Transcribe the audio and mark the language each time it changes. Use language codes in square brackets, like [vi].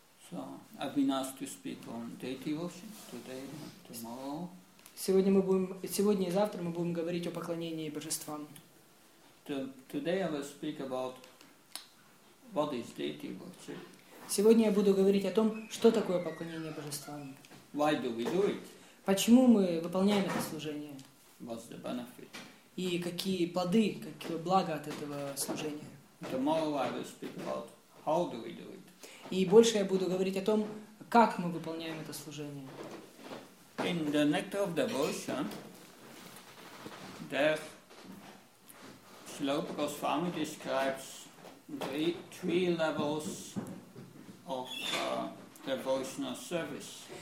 [en] So, I've been asked to speak on deity worship today and tomorrow. [ru] Сегодня мы будем, сегодня и завтра мы будем говорить о поклонении божествам. [en] Today I will speak about what is deity worship. [ru] Сегодня я буду говорить о том, что такое поклонение божествам. [en] Why do we do it? [ru] Почему мы выполняем это служение? [en] What's the benefit? [ru] И какие плоды, какие блага от этого служения? [en] Tomorrow I will speak about how do we do it. [ru] И больше я буду говорить о том, как мы выполняем это служение. [en] In the nectar of devotion, Srila Rupa Goswami describes three levels of devotional service.